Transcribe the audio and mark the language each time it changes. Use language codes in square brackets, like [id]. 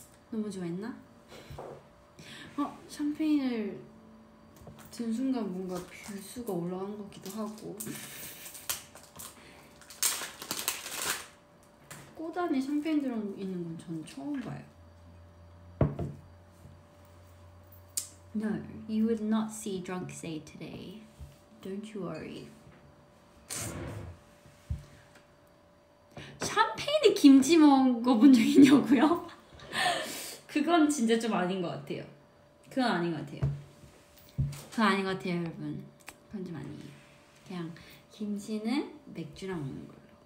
[ko] 너무 좋아했나? 샴페인을 든 순간 뭔가 뷰수가 올라간 것 같기도 하고 꽃안에 샴페인 들어있는 건 전 처음 봐요. [en] No, you would not see drunk say today. Don't you worry. [ko] 샴페인에 김치 먹어본 적 있냐고요? 그건 진짜 좀 아닌 것 같아요. 그건 아닌 것 같아요. 그건 아닌 것 같아요, 여러분. 그건 좀 아니에요. 그냥 김치는 맥주랑 먹는 거예요.